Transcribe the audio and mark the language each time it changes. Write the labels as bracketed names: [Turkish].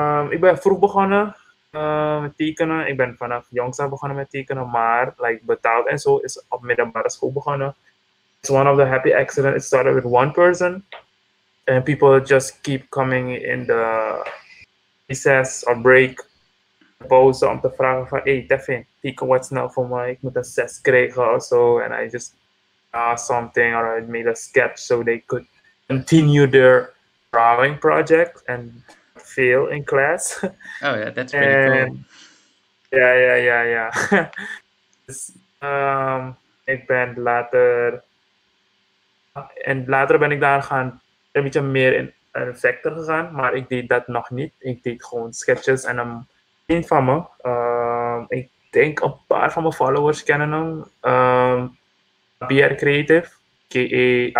[Dutch] Ik ben vroeg begonnen met tekenen. Ik ben vanaf jongs af begonnen met tekenen, maar like, betaald en zo is op middelbare school begonnen. [English] It's one of the happy accidents. It started with one person. And people just keep coming in the recess or break [Dutch] pauze om te vragen van, hey, Devin, teken wat snel voor mij, ik moet een 6 krijgen of zo. [English] And I just something or I made a sketch so they could continue their drawing project and fail in class. Oh yeah, that's pretty and cool. Yeah. [Dutch] Dus, ik ben later, en later ben ik daar gaan een beetje meer in een vector gegaan, maar ik deed dat nog niet. Ik deed gewoon sketches en een van me, ik denk een paar van mijn followers kennen hem, BR Creative, k.a.